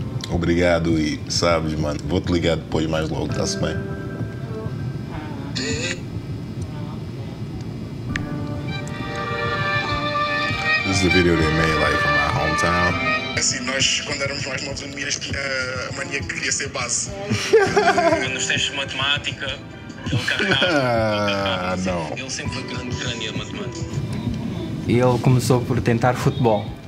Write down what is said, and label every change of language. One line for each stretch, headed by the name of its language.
Portuguese: Obrigado e sabes, mano, vou te ligar depois mais logo, tá-se bem?
English: This is a video they made like from my hometown.
Portuguese: Assim, nós quando éramos mais novos, a mania que queria ser base. Nos testes de matemática, ele sempre foi grande crânio de matemática. E ele começou por tentar futebol.